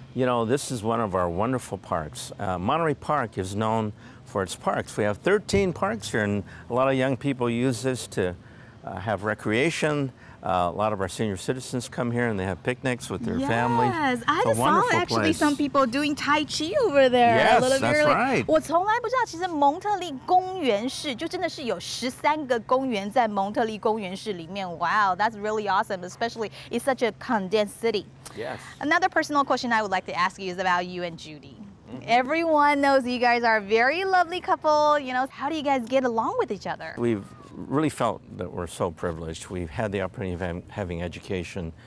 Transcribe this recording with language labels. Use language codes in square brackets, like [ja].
[en] You know, this is one of our wonderful parks. Monterey Park is known for its parks. We have 13 parks here, and a lot of young people use this to have recreation. A lot of our senior citizens come here and they have picnics with their families. Yes, I saw actually some people doing Tai Chi over there. Yes, that's right. [zh] 我从来不知道，其实蒙特利公园市就真的是有13个公园在蒙特利公园市里面。 [en] Wow, that's really awesome, especially it's such a condensed city. Yes. Another personal question I would like to ask you is about you and Judy. Everyone knows you guys are a very lovely couple. You know, how do you guys get along with each other? We've really felt that we're so privileged. We've had the opportunity of having education.